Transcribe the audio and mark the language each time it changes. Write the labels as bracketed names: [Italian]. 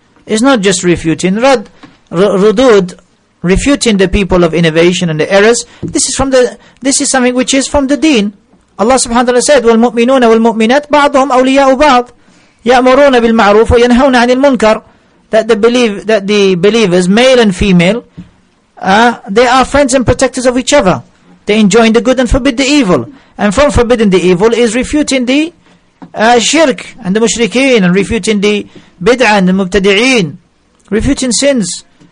[English] It's not just refuting. Rudud, refuting the people of innovation and the errors, this is something which is from the deen. Allah subhanahu wa ta'ala said, [Arabic] وَالْمُؤْمِنُونَ وَالْمُؤْمِنَاتِ بَعْضُهُمْ أَوْلِيَاءُ بَعْضٍ يَأْمُرُونَ بِالْمَعْرُوفِ وَيَنْهَوْنَ عَنِ الْمُنْكَرِ. [English] That the believers, male and female, they are friends and protectors of each other. They enjoin the good and forbid the evil. And from forbidding the evil is refuting the shirk and the mushrikeen, and refuting the bid'ah and the mubtadi'een, refuting sins.